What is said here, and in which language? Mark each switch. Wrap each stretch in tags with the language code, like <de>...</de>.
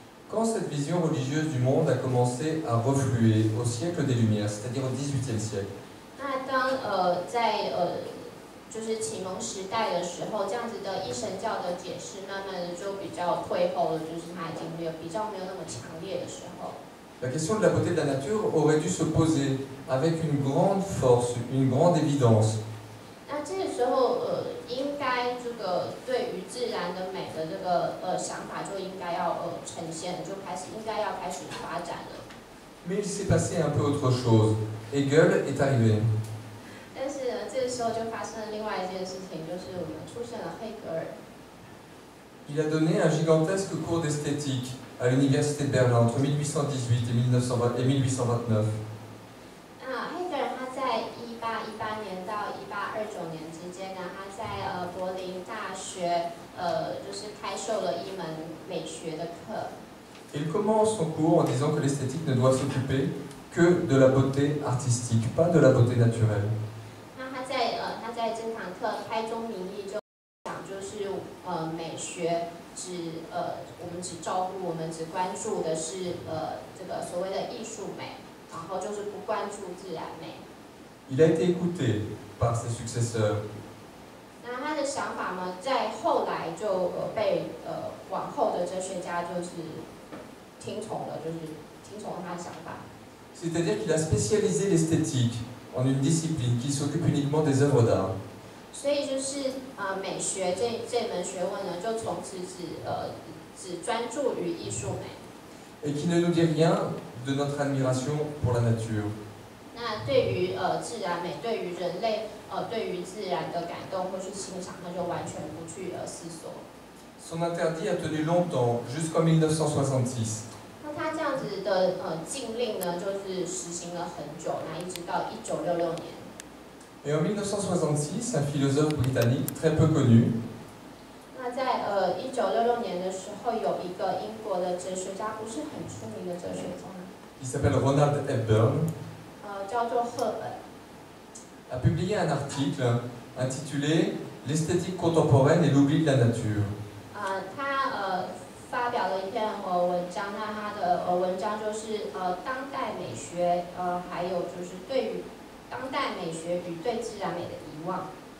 <fr>Quand cette vision religieuse du monde a commencé à refluer au siècle des Lumières, c'est-à-dire au XVIIIe siècle.</fr> <zh>那当在就是启蒙时代的时候，这样子的一神教的解释慢慢的就比较退后了，就是它已经没有比较没有那么强烈的时候。</zh> <fr>La question de la beauté de la nature aurait dû se poser avec une grande force, une grande évidence.</fr> <zh>那这个时候应该这个对于自然的美的这个想法就应该要呈现，就开始应该要开始发展了。</zh> <fr>Mais il s'est passé un peu autre chose. Hegel est arrivé.</fr> <zh>但是这个时候就发生了另外一件事情，就是我们出现了黑格尔。</zh> <fr>Il a donné un gigantesque cours d'esthétique à l'université de Berlin entre 1818 et 1829.</fr> <zh>黑格尔他在1818年到1829年之间呢，他在柏林大学就是开设了一门美学的课。</zh> <fr>Il commence son cours en disant que l'esthétique ne doit s'occuper que de la beauté artistique, pas de la beauté naturelle.</fr> <zh>那他在这堂课开宗明义就讲，就是美学只我们只照顾我们只关注的是这个所谓的艺术美，然后就是不关注自然美。</zh> <fr>Il a été écouté par ses successeurs.</fr> <zh>那他的想法呢，在后来就被往后的哲学家就是听从了，就是听从他的想法。</zh> <fr>C'est-à-dire qu'il a spécialisé l'esthétique en une discipline qui s'occupe uniquement des œuvres d'art.</fr> <zh>所以就是美学这门学问呢，就从此只专注于艺术美。</zh> <fr>Et qui ne nous dit rien de notre admiration pour la nature.</fr> <zh>那对于自然美，对于人类对于自然的感动或是欣赏，他就完全不去思索。</zh> <fr>Son interdit a tenu longtemps, jusqu'en 1966.</fr> <zh>那他这样子的禁令呢，就是实行了很久，那一直到1966年。</zh> <fr>Et en 1966, un philosophe britannique très peu connu.</fr> <zh>那在1966年的时候，有一个英国的哲学家，不是很出名的哲学家。</zh> <fr>Il s'appelle Ronald Hepburn.</fr> <zh>叫做赫本。</zh> <fr>A publié un article intitulé L'esthétique contemporaine et l'oubli de la nature.</fr> <zh>他发表了一篇文章，那他的文章就是当代美学，还有就是对于当代美学与对自然美的遗忘。</zh>